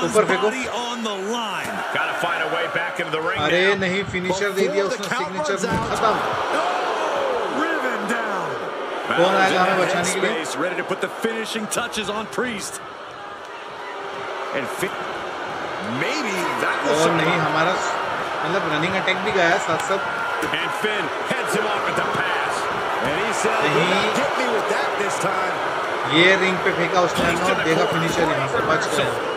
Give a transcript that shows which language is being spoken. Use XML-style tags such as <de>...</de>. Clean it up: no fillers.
<hi>फेंको अरे नहीं फिनिशर दे दिया उसने सिग्नेचर खत्म. कौन आएगा हमें बचाने के लिए. और नहीं हमारा मतलब रनिंग अटैक भी गया साथ साथ.</hi> <en>And Finn heads him off with the pass. And he said, "Don't get me with that this time."</en> <hi>ये रिंग पे फेंका उसने और देखा फिनिशर यहाँ पर बच गया.</hi>